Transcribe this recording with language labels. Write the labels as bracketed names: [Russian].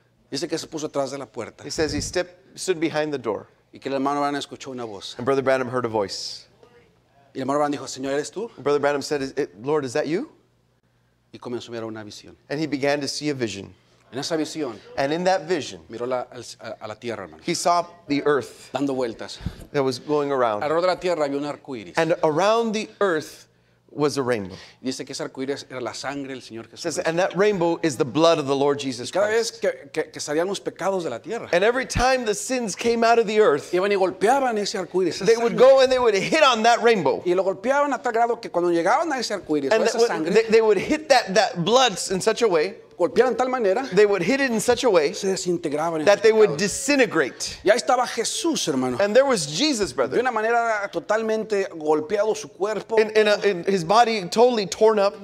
[Spanish] Dice que se puso atrás de la puerta. [English] He says, he stood behind the door. [Spanish] Y que el hermano Branham escuchó una voz. [English] And Brother Branham heard a voice. [Spanish] Y el hermano Branham dijo, Señor, ¿eres tú? [English] And Brother Branham said, Lord, is that you? [Spanish] Y comenzó a mirar una visión. [English] And he began to see a vision. [Spanish] En esa visión, [English] and in that vision, [Spanish] miró a la tierra, hermano. [English] He saw the earth [Spanish] dando vueltas [English] that was going around. [Spanish] Alrededor de la tierra había un arco iris. [English] And around the earth was a rainbow. [Spanish] Dice que ese arco iris era la sangre del Señor Jesús. [English] Says, and that rainbow is the blood of the Lord Jesus [Spanish] cada [English] Christ. [Spanish] Cada vez que salían los pecados de la tierra. [English] And every time the sins came out of the earth, [Spanish] iban y golpeaban ese arco iris. [English] They would go and they would hit on that rainbow. [Spanish] Y lo golpeaban a tal grado que cuando llegaban a ese arco iris, [English] and [Spanish] o esa sangre, [English] they would hit that blood in such a way. [Spanish] Golpearon tal manera, [English] they would hit it in such a way [Spanish] se desintegraban [English] that they would disintegrate. [Spanish] Y ahí estaba Jesús, hermano. [English] And there was Jesus, brother. [Spanish] De una manera totalmente golpeado su cuerpo. [English] In his body totally torn up.